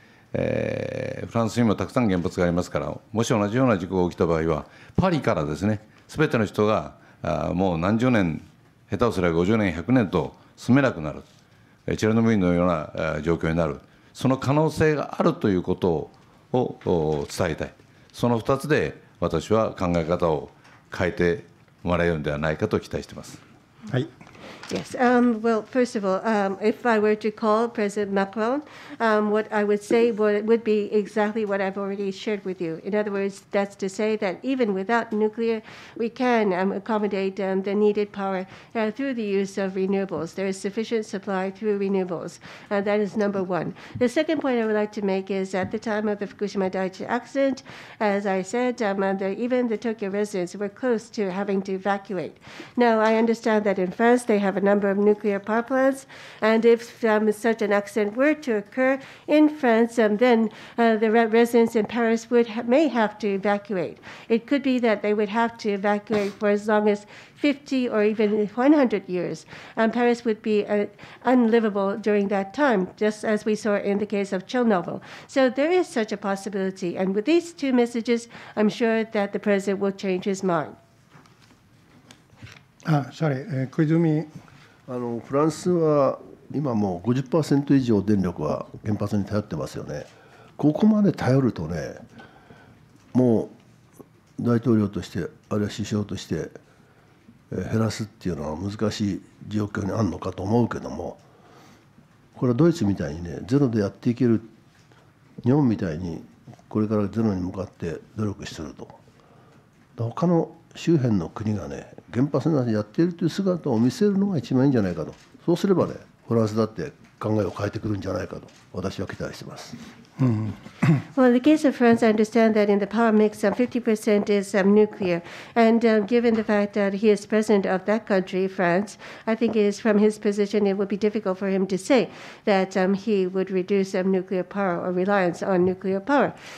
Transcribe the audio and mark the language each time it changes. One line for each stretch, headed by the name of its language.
Japanese: フランスにもたくさん原発がありますから、もし同じような事故が起きた場合はパリからですね、すべての人がもう何十年、下手をすれば50年100年と住めなくなる、チェルノブイリのような状況になる、その可能性があるということを伝えたい。その2つで私は考え方を変えてもらえるのではないかと期待しています。はい。
English: Yes. Well, first of all, if I were to call President Macron, what I would say would be exactly what I've already shared with you. In other words, that's to say that even without nuclear, we can accommodate the needed power through the use of renewables. There is sufficient supply through renewables. That is number one. The second point I would like to make is at the time of the Fukushima Daiichi accident, as I said, even the Tokyo residents were close to having to evacuate. Now, I understand that in France, they have a number of nuclear power plants, and if such an accident were to occur in France, then the residents in Paris may have to evacuate. It could be that they would have to evacuate for as long as 50 or even 100 years, and Paris would be unlivable during that time, just as we saw in the case of Chernobyl. So there is such a possibility, and with these two messages, I'm sure that the president will change his mind.
Japanese: 小泉、フランスは今もう 50% 以上電力は原発に頼ってますよね。ここまで頼るとね、もう大統領としてあるいは首相として減らすっていうのは難しい状況にあるのかと思うけども、これはドイツみたいにね、ゼロでやっていける、日本みたいにこれからゼロに向かって努力すると、他の周辺の国がね、原発なんてやっているという姿を見せるのが一番いいんじゃないかと。そうすればね、フランスだって考えを変えてくるんじゃないかと私は期待しています。
English: Well, in the case of France, I understand that in the power mix, 50% is nuclear. And given the fact that he is president of that country, France, I think it is from his position, it would be difficult for him to say that he would reduce nuclear power or reliance on nuclear power.